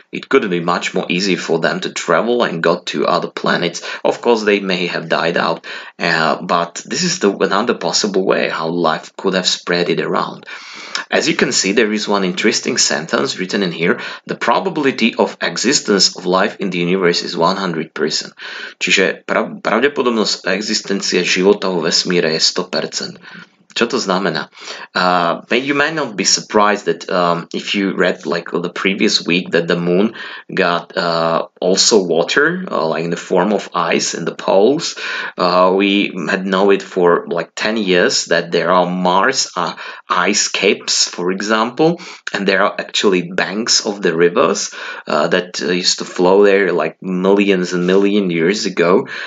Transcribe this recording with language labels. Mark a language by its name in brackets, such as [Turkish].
[English] It could be much more easy for them to travel and go to other planets. Of course, they may have died out, but this is another possible way how life could have spread it around. As you can see, there is one interesting sentence written in here: the probability of existence of life in the universe is 100%. [Slovak] Čiže pravdepodobnosť existencie života vo vesmíre je 100%. Čo to znamená? [English] You may not be surprised that if you read like the previous week that the moon got also water, like in the form of ice in the poles. We had known it for like 10 years that there are Mars ice caps, for example, and there are actually banks of the rivers that used to flow there like millions and million years ago.